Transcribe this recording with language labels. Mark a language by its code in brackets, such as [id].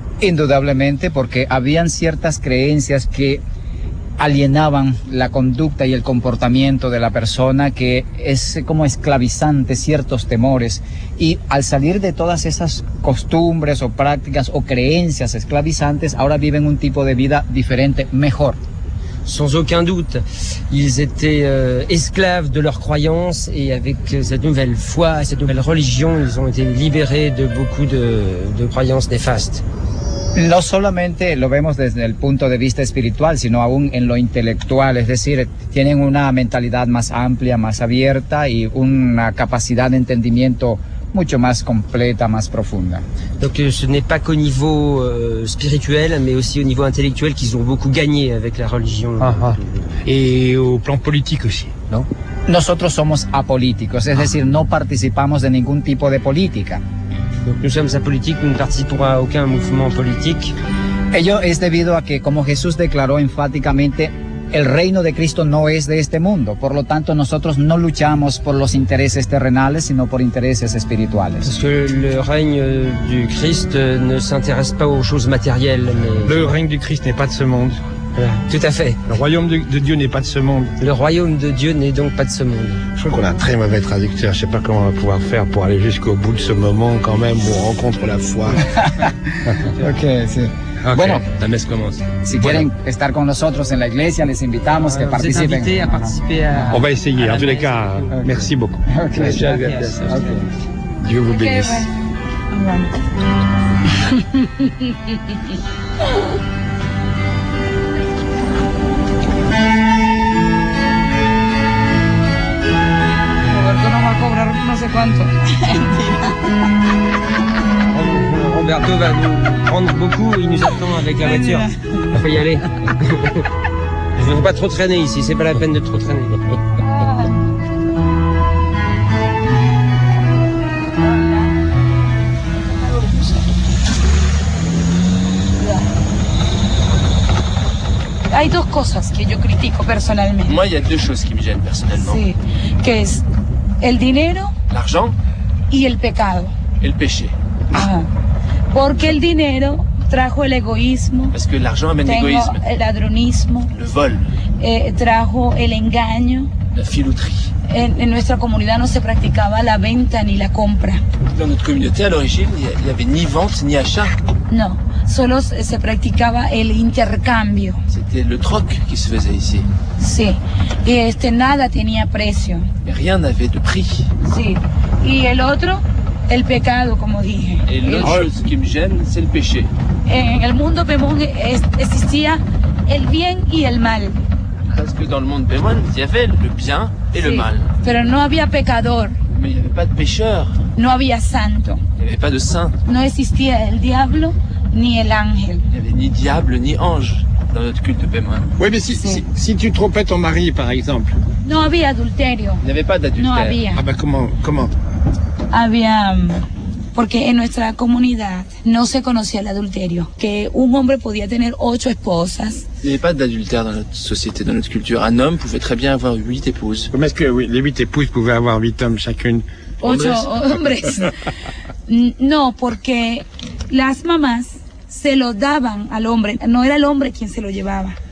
[es] Indudablemente, porque habían ciertas creencias que alienaban la conducta y el comportamiento de la persona, que es como esclavizante ciertos temores. Y al salir de todas esas costumbres o prácticas o creencias esclavizantes, ahora viven un tipo de vida diferente, mejor. [fr] Sans aucun doute, ils étaient esclaves de leurs croyances et avec cette nouvelle foi, cette nouvelle religion, ils ont été libérés de beaucoup de croyances néfastes. [es] No solamente lo vemos desde el punto de vista espiritual, sino aún en lo intelectual, es decir, tienen una mentalidad más amplia, más abierta y una capacidad de entendimiento mucho más completa, más profunda. [fr] Donc ce n'est pas qu'au niveau spirituel, mais aussi au niveau intellectuel qu'ils ont beaucoup gagné avec la religion. Ah, et au plan politique aussi, non? [es] Nosotros somos apolíticos, es decir, no participamos de ningún tipo de política. [fr] Donc nous sommes apolitiques, nous ne participons à aucun mouvement politique. [es] Ello es debido a que, como Jesús declaró enfáticamente, el reino de Cristo no es de este mundo. Por lo tanto, nosotros no luchamos por los intereses terrenales, sino por intereses espirituales. [fr] Parce que le règne du Christ ne s'intéresse pas aux choses matérielles. Mais... Le règne du Christ n'est pas de ce monde. Tout à fait. Le royaume de Dieu n'est pas de ce monde. Le royaume de Dieu n'est donc pas de ce monde. Je crois qu'on a un très mauvais traducteur. Je ne sais pas comment on va pouvoir faire pour aller jusqu'au bout de ce moment quand même où on rencontre la foi. Ok, c'est... Okay. [es] Bueno, [fr] la messe commence. [es] Si quieren estar con nosotros en la iglesia, les invitamos que participen. [fr] Vous êtes invités à participer à... On va essayer. En tous les cas, merci beaucoup. Okay. Merci à vous. Okay. Dieu vous bénisse. [es] Roberto no va a cobrar no sé cuánto. [fr] Roberto va nous prendre beaucoup, il nous attend avec la voiture. On peut y aller. Il ne faut pas trop traîner ici, c'est pas la peine de trop traîner. [es] Hay dos cosas que yo critico personalmente. [fr] Moi, il y a deux choses qui me gênent personnellement. [es] Sí, que es el dinero. [fr] L'argent. [es] Y el pecado. [fr] El péché. Ah. [es] Porque el dinero trajo el egoísmo. [fr] Parce que l'argent amène l'égoïsme. [es] El ladronismo. [fr] Le vol. [es] Trajo el engaño. [fr] La filouterie. [es] En nuestra comunidad no se practicaba la venta ni la compra. [fr] Dans notre communauté, à l'origine, il n'y avait ni vente ni achat. [es] No. Solo se practicaba el intercambio. [fr] C'était le troc qui se faisait ici. [es] Sí. Y nada tenía precio. [fr] Mais rien n'avait de prix. [es] Sí. Y el otro, el pecado, como dije. [fr] Et l'autre chose qui me gêne, c'est le péché. [es] En el mundo Pemón existía el bien y el mal. [fr] Parce que dans le monde Pemón, il y avait le bien et [es] sí, [fr] le mal. [es] Pero no había pecador. [fr] Mais il n'y avait pas de pécheur. [es] No había santo. [fr] Il n'y avait pas de saint. [es] No existía el diablo. Ni el ángel. [fr] Il n'y avait ni diable ni ange dans notre culte Pemón. Oui, mais si tu trompais ton mari, par exemple. [es] No había adulterio. [fr] Il n'y avait pas d'adultère. [es] No había. [fr] Ah, ben comment? [es] Había. Porque en nuestra comunidad no se conocía el adulterio. Que un hombre podía tener 8 esposas. [fr] Il n'y avait pas d'adultère dans notre société, dans notre culture. Un homme pouvait très bien avoir 8 épouses. Mais est-ce que oui, les 8 épouses pouvaient avoir 8 hommes chacune? [es] 8 hombres. No, porque las mamás se lo daban al hombre, no era el hombre quien se lo llevaba.